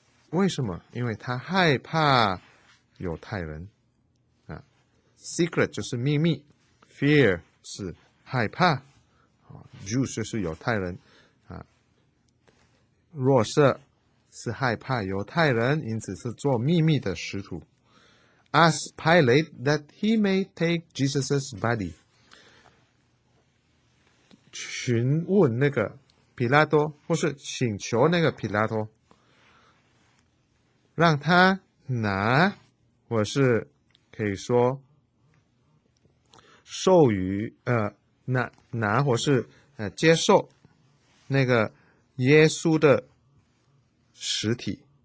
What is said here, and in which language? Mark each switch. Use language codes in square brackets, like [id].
[zh] 为什么因为他害怕犹太人。啊、Secret 就是秘密 ,fear 是害怕、啊、,Jews 就是犹太人。啊、若瑟是害怕犹太人因此是做秘密的师徒。 [en] Ask Pilate that he may take Jesus' body. [zh] 询问那个皮拉多或是请求那个皮拉多让他拿，我是可以说授予拿或是接受那个耶稣的实体。